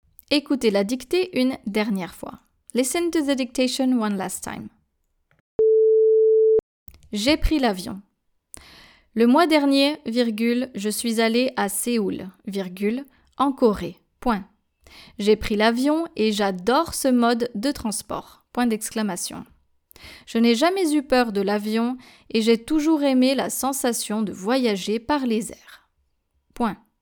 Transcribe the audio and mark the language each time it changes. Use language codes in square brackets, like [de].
[fr] Écoutez la dictée une dernière fois. [en] Listen to the dictation one last time. [fr] J'ai pris l'avion. Le mois dernier, virgule, je suis allée à Séoul, virgule, en Corée, point. J'ai pris l'avion et j'adore ce mode de transport, point d'exclamation. Je n'ai jamais eu peur de l'avion et j'ai toujours aimé la sensation de voyager par les airs, point.